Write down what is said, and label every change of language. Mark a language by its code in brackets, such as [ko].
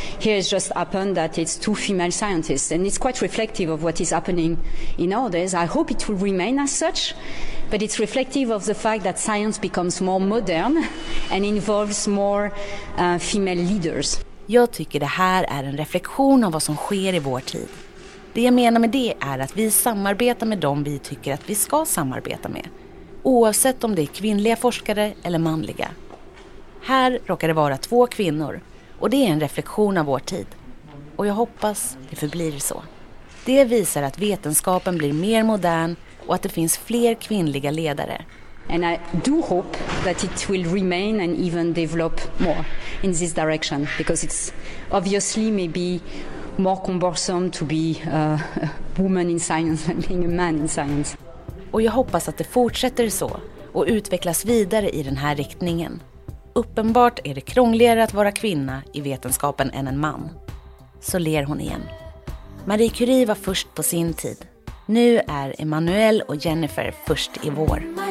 [en] Here it's just happened that it's 2 female scientists, and it's quite reflective of what is happening in our days. I hope it will remain as such, but it's reflective of the fact that science becomes more modern and involves more female leaders." [sv] Jag tycker det här är en reflektion av vad som sker i vår tid. Det jag menar med det är att vi samarbetar med dem vi tycker att vi ska samarbeta med, oavsett om det är kvinnliga forskare eller manliga. Här råkar det vara 2 kvinnor, och det är en reflektion av vår tid. Och jag hoppas det förblir så. Det visar att vetenskapen blir mer modern och att det finns fler kvinnliga ledare. [en] And I do hope that it will remain and even develop more in this direction, because it's obviously maybe more cumbersome to be a woman in science than being a man in science. [sv] Och jag hoppas att det fortsätter så och utvecklas vidare i den här riktningen. Uppenbart är det krångligare att vara kvinna i vetenskapen än en man. Så ler hon igen. Marie Curie var först på sin tid. Nu är Emmanuel och Jennifer först i vår.